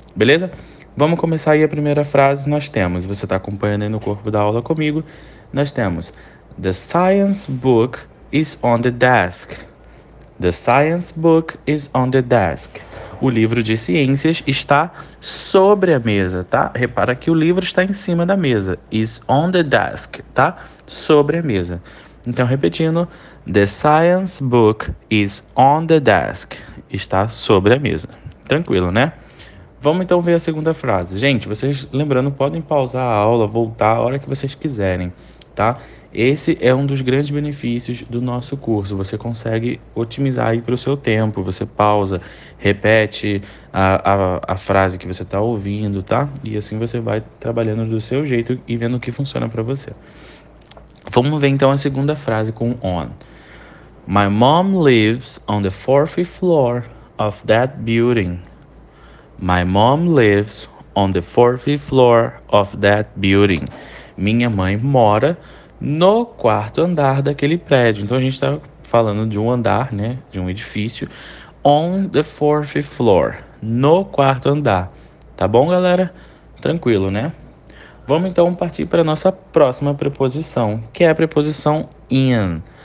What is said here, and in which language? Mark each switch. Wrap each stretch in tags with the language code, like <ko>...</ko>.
<pt>Beleza? Vamos começar aí a primeira frase. Nós temos, você está acompanhando aí no corpo da aula comigo, nós temos:</pt> <en>The science book is on the desk. The science book is on the desk.</en> <pt>O livro de ciências está sobre a mesa, tá? Repara que o livro está em cima da mesa.</pt> <en>Is on the desk,</en> <pt>tá? Sobre a mesa. Então, repetindo,</pt> <en>the science book is on the desk.</en> <pt>Está sobre a mesa. Tranquilo, né? Vamos então ver a segunda frase. Gente, vocês lembrando, podem pausar a aula, voltar a hora que vocês quiserem, tá? Esse é um dos grandes benefícios do nosso curso. Você consegue otimizar aí para o seu tempo. Você pausa, repete a frase que você está ouvindo, tá? E assim você vai trabalhando do seu jeito e vendo o que funciona para você. Vamos ver então a segunda frase com on.</pt> <en>My mom lives on the fourth floor of that building. My mom lives on the fourth floor of that building.</en> <pt>Minha mãe mora no quarto andar daquele prédio. Então a gente está falando de um andar, né? De um edifício.</pt> <en>On the fourth floor.</en> <pt>No quarto andar. Tá bom, galera? Tranquilo, né? Vamos então partir para a nossa próxima preposição, que é a preposição in.</pt>